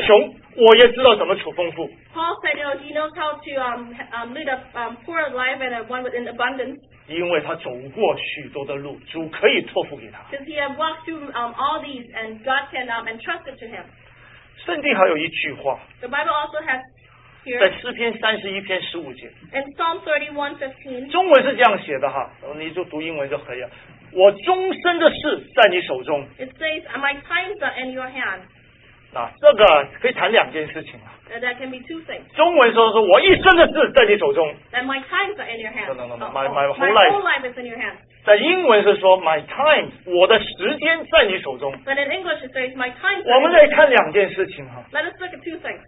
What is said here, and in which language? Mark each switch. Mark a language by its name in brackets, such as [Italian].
[Chinese] 那保罗，我们弟兄说，我已经知道怎么处贫穷，我也知道怎么处丰富。 [English] Paul said, he knows how to lead a poor life and one with an abundance. [Chinese] 因为他走过许多的路，主可以托付给他。 [English] Because he has walked through all these, and God can entrust it to him. [Chinese] 圣经还有一句话。 [English] The Bible also has here. [Chinese] 在诗篇31篇15节。 [English] In Psalm 31:15. [Chinese] 中文是这样写的哈，你就读英文就可以了。我终身的事在你手中。 [English] It says, my times are in your hand. [Chinese] 这个可以谈两件事情了。 [English] That can be two things. [Chinese] 中文说，我一生的事在你手中。 [English] That my times are in your hand. My whole life is in your hand. [Chinese] 在英文是说, [English] my time, [Chinese] 我的时间在你手中。 [English] But in English it says, my time. [Chinese] 我们来看两件事情。 [English] Let us look at two things.